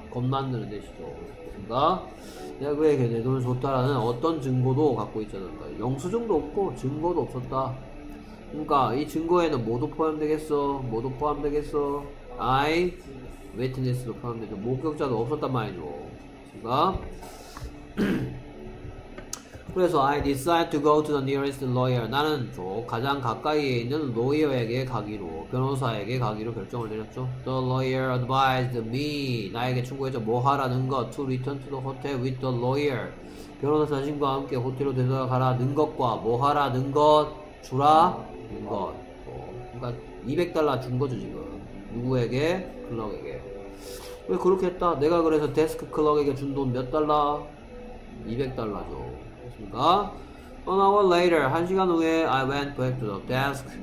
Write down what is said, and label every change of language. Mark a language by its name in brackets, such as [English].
[Korean] 겁 만드는 뜻이죠. 그러니까 내가 그에게 내 돈을 줬다라는 어떤 증거도 갖고 있지 않았다. 영수증도 없고 증거도 없었다. 그러니까 이 증거에는 모두 포함되겠어? 모두 포함되겠어? I witness도 포함되죠. 목격자도 없었단 말이죠. 그러니까 그래서 [English] I decided to go to the nearest lawyer. [Korean] 나는 저 가장 가까이에 있는 로이어에게 가기로, 변호사에게 가기로 결정을 내렸죠. [English] The lawyer advised me. [Korean] 나에게 충고했죠. 뭐 하라는 것. [English] To return to the hotel with the lawyer. [Korean] 변호사 자신과 함께 호텔로 되돌아가라는 것과 뭐 하라는 것. 주라는 것. 그러니까 200달러 준 거죠 지금. 누구에게? 클럭에게. 왜 그렇게 했다? 내가 그래서 데스크 클럭에게 준 돈 몇 달러? 200달러죠. 가 [English] An hour later, [Korean] 한 시간 후에 [English] I went back to the desk.